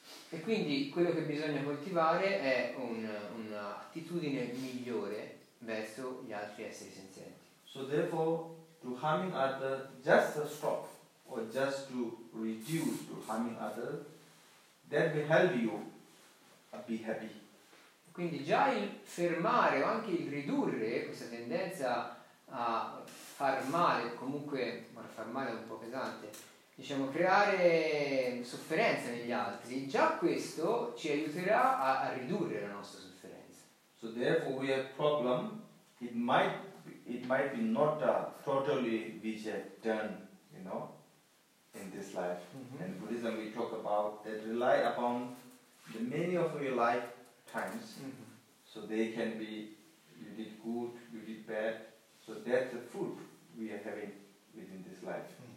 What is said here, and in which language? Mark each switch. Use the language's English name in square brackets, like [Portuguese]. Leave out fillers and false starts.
[Italian] E quindi quello che bisogna coltivare è un'attitudine migliore verso gli altri esseri senzienti. [English] So therefore, to harming other, just to stop or just to reduce to harming other, that will help you be happy. [Italian] Quindi già il fermare o anche il ridurre questa tendenza a far male, comunque far male è un po' pesante, diciamo creare sofferenza negli altri, già questo ci aiuterà a ridurre la nostra sofferenza. [English] So therefore we have problem, it might be not totally which is done, you know, in this life. And Buddhism we talk about that rely upon the many of your life times. So they can be, you did good, you did bad, so that's the fruit we are having within this life.